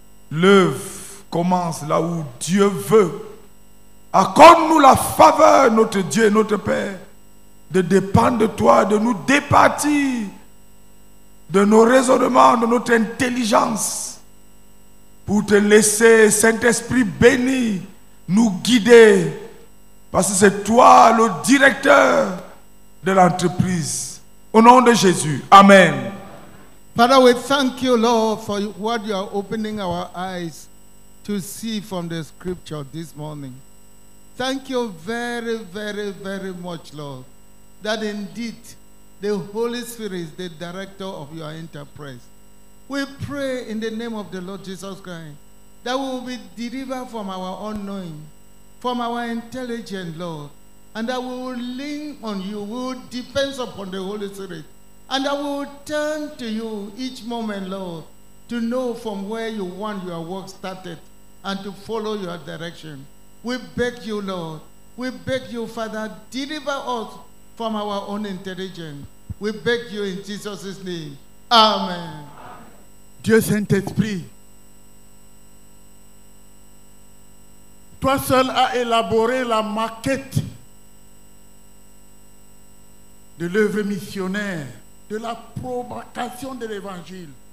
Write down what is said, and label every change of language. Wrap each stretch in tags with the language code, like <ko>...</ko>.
<fr>L'œuvre commence là où Dieu veut. Accorde-nous la faveur, notre Dieu et notre Père, de dépendre de toi, de nous départir de nos raisonnements, de notre intelligence, pour te laisser, Saint-Esprit béni, nous guider, parce que c'est toi le directeur de l'entreprise. Au nom de Jésus, amen.</fr> <en>Father, we thank you, Lord, for what you are opening our eyes to see from the scripture this morning. Thank you very, very, very much, Lord, that indeed the Holy Spirit is the director of your enterprise. We pray in the name of the Lord Jesus Christ that we will be delivered from our unknowing, from our intelligence, Lord, and that we will lean on you, we will depend upon the Holy Spirit, and that we will turn to you each moment, Lord, to know from where you want your work started and to follow your direction. We beg you, Lord. We beg you, Father, deliver us from our own intelligence. We beg you in Jesus' name. Amen.</en> <fr>Dieu Saint-Esprit, toi seul as élaboré la maquette de l'œuvre missionnaire, de la provocation de l'Évangile.</fr>